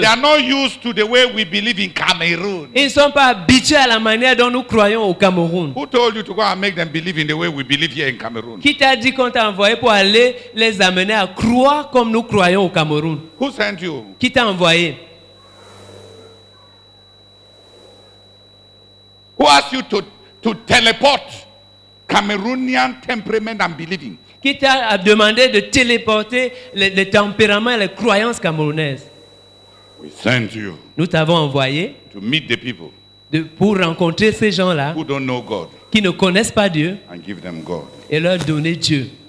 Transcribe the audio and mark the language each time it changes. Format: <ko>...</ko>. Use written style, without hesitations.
<en>They are not used to the way we believe in Cameroon.</en> <fr>Ils ne sont pas habitués à la manière dont nous croyons au Cameroun.</fr> <en>Who told you to go and make them believe in the way we believe here in Cameroon?</en> <fr>Qui t'a dit qu'on t'a envoyé pour aller les amener à croire comme nous croyons au Cameroun?</fr> <en>Who sent you?</en> <fr>Qui t'a envoyé?</fr> <en>Who asked you to teleport Cameroonian temperament and believing?</en> <fr>Qui t'a demandé de téléporter les tempéraments et les croyances camerounaises?</fr> <en>We sent you.</en> <fr>Nous t'avons envoyé.</fr> <en>To meet the people.</en> <fr>Pour rencontrer ces gens-là.</fr> <en>Who don't know God.</en> <fr>Qui ne connaissent pas Dieu.</fr> <en>And give them God.</en> <fr>Et leur donner Dieu.</fr>